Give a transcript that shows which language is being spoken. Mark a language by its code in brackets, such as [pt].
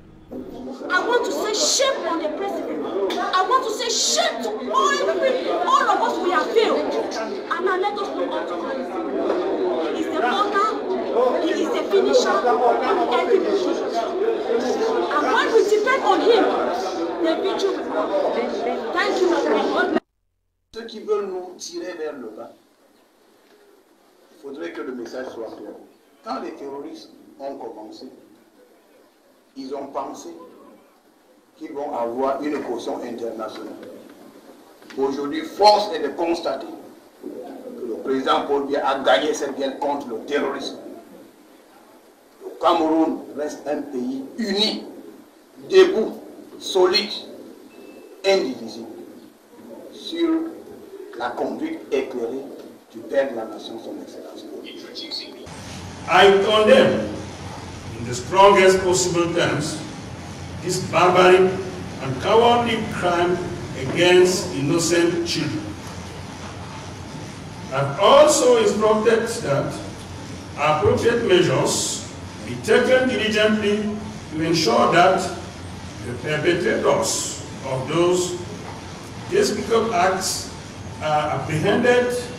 [en] I want to say shame on the president. I want to say shame to all of us, we have failed. And now let us know what to do. He is the finisher of every mission. And when we depend on him, the victory will come. Thank you, my friend. [fr] Ceux qui veulent nous tirer vers le bas, il faudrait que le message soit clair. Quand les terroristes ont commencé, ils ont pensé qu'ils vont avoir une caution internationale. Aujourd'hui, force est de constater que le président Paul Biya a gagné cette guerre contre le terrorisme. Cameroun reste un pays uni, debout, solide, indivisible, sur la conduite éclairée du père de la nation, son excellence. [en] I condemn, in the strongest possible terms, this barbaric and cowardly crime against innocent children. I've also instructed that appropriate measures be taken diligently to ensure that the perpetrators of those despicable acts are apprehended